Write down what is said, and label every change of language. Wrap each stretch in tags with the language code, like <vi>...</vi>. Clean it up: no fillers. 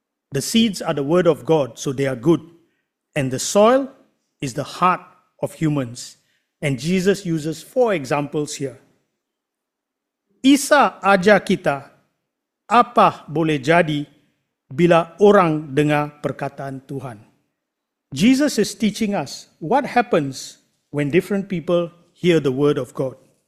<en>The seeds are the word of God, so they are good. And the soil is the heart of humans. And Jesus uses four examples here.</en> <ms>Isa ajar kita apa boleh jadi bila orang dengar perkataan Tuhan.</ms> <en>Jesus is teaching us what happens when different people hear the word of God.</en>